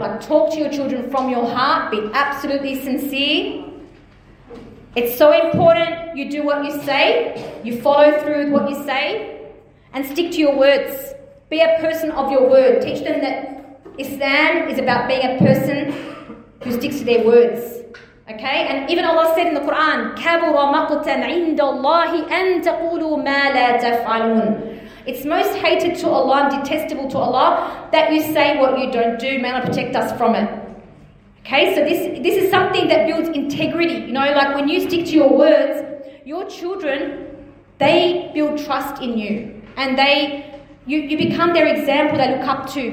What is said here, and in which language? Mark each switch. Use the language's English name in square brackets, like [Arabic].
[English] Like, talk to your children from your heart. Be absolutely sincere. It's so important you do what you say. You follow through with what you say. And stick to your words. Be a person of your word. Teach them that Islam is about being a person who sticks to their words. Okay? And even Allah said in the Quran, [Arabic] كَبُرَ مَقْتًا عِنْدَ اللَّهِ أَن تَقُولُوا مَا لَا تَفْعَلُونَ. [English] It's most hated to Allah and detestable to Allah that you say what you don't do. May Allah protect us from it. Okay, so this is something that builds integrity. You know, like when you stick to your words, your children, they build trust in you. And you become their example they look up to.